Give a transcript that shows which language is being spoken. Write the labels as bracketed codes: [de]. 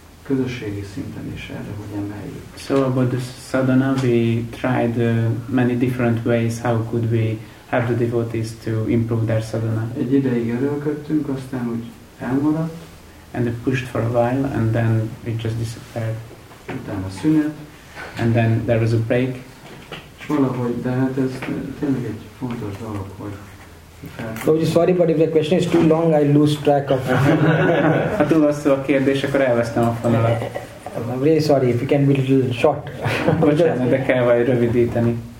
[hu] közösségi szinten is erre, hogy emeljük. [en] So about the sadhana, we tried many different ways how could we have the devotees to improve their sadhana. [hu] Egy ideig erőlködtünk, aztán úgy elmaradt. [en] And it pushed for a while, and then it just disappeared. [hu] Utána szünet. [en] And then there was a break. [hu] És valahogy, de hát ez tényleg egy fontos dolog, hogy [en] Prabhuji, sorry, but if the question is too long, I lose track of [hu] Ha túl hosszú a kérdés, akkor elvesztem a fonalat. [en] I'm really sorry, if you can be a little short. [hu] Bocsánat, de kell vagy rövidíteni.